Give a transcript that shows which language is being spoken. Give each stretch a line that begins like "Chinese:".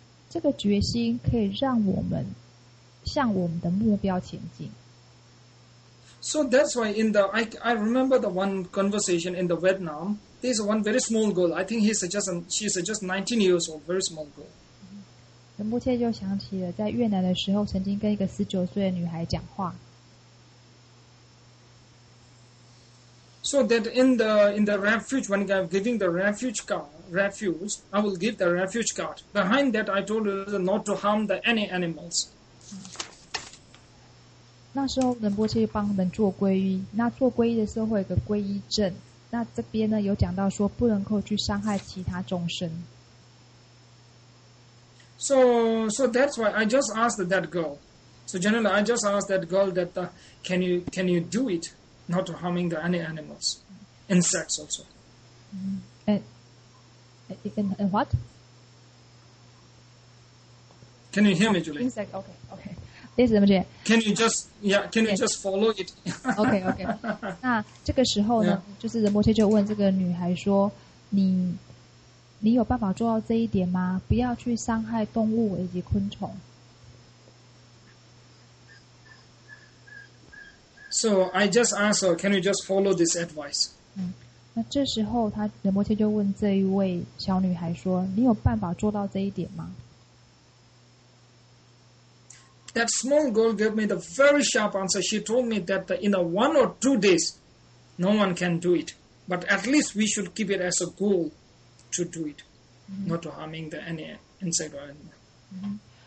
Chinese: 这个决心可以让我们向我们的目标前进。
English: So that's why in the I remember the one conversation in the Vietnam. There's one very small girl. I think she's just 19 years old. Very small girl.
Chinese: 仁波切就想起了在越南的时候，曾经跟一个19岁的女孩讲话。
English: So that in the refuge, when I'm giving the refuge card, refuge, I will give the refuge card. Behind that, I told her not to harm the any animals.
Chinese: 那时候仁波切帮他们做皈依，那做皈依的时候会有个皈依证，那这边呢有讲到说不能够去伤害其他众生。
English: So that's why I just asked that girl, So generally, I just ask that girl that, can you do it, not harming any animals, insects also. And what? Can you hear me, Julie? Insect. Okay.
Chinese: 意思怎么解?
English: Can you just follow it? Okay.
Chinese: 那这个时候呢, yeah. 就是仁波切就问这个女孩说, 你有办法做到这一点吗? 不要去伤害动物以及昆虫。
English: So I just asked her, can you just follow this advice?
Chinese: 那这时候仁波切就问这一位小女孩说, 你有办法做到这一点吗?
English: That small girl gave me the very sharp answer. She told me that in a 1 or 2 days, no one can do it. But at least we should keep it as a goal to do it, not to harming the any insect or animal.